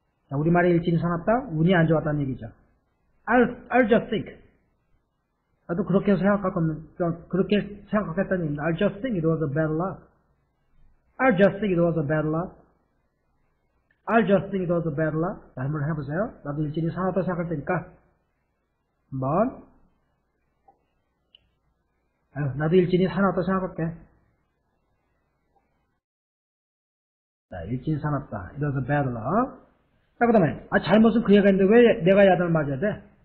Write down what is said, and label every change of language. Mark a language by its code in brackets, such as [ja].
[ko] 자, 우리말에 일진이 사납다? 운이 안 좋았다는 얘기죠. [en] I'll just think. [ko] 나도 그렇게 생각하겠다는 얘기입니다. [en] I'll just think it was a bad luck. I'll just think it was a bad luck. I'll just think it was a bad luck. [ko] 자, 한번 해보세요. 나도 일진이 사납다 생각할 테니까. 한번. 아유, 나도 일진이 사납다 생각할게. 자, 일진이 사납다. [en] It was a bad luck. [ko] 자, 그 다음에. 아, 잘못은 그 애가 있는데 왜 내가 야단을 맞아야 돼?